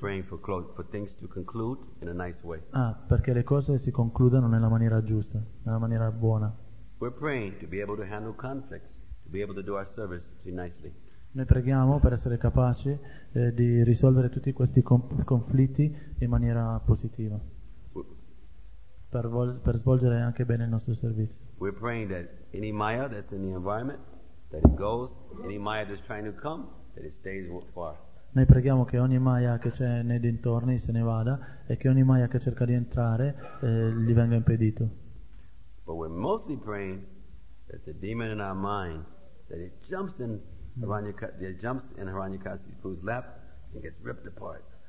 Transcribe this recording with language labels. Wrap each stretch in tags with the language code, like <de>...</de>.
<en>Praying for for things to conclude in a nice way.</en> <it>Ah, perché le cose si concludano nella maniera giusta, nella maniera buona.</it> <en>We're praying to be able to handle conflicts, to be able to do our service nicely.</en> <it>Noi preghiamo per essere capaci di risolvere tutti questi conflitti in maniera positiva. Per svolgere anche bene il nostro servizio.</it> <en>We're praying that any Maya that's in the environment, that it goes, any Maya that's trying to come, that it stays far.</en> <it>Noi preghiamo che ogni Maya che c'è nei dintorni se ne vada e che ogni Maya che cerca di entrare gli venga impedito.</it> <en>But we're mostly praying that the demon in our mind, that it jumps in Hiranyakasipu's lap and gets ripped apart.</en>